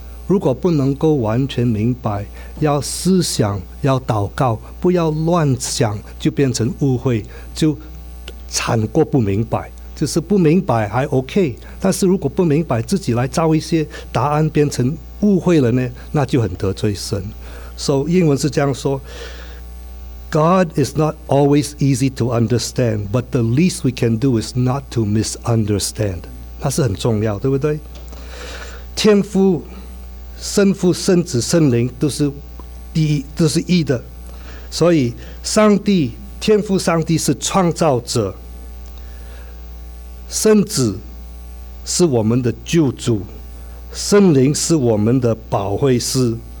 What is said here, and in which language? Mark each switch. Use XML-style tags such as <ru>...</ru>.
<zh>如果不能够完全明白，要思想，要祷告，不要乱想，就变成误会，就惨过不明白。就是不明白还 OK， 但是如果不明白，自己来造一些答案，变成误会了呢，那就很得罪神。</zh> <en>So</en> <zh>英文是这样说，</zh> <en>God is not always easy to understand, but the least we can do is not to misunderstand.</en> <zh>那是很重要，对不对？天父、圣父、圣子、圣灵都是第一，都是一的。所以上帝、天父、上帝是创造者，圣子是我们的救主，圣灵是我们的保惠师。</zh>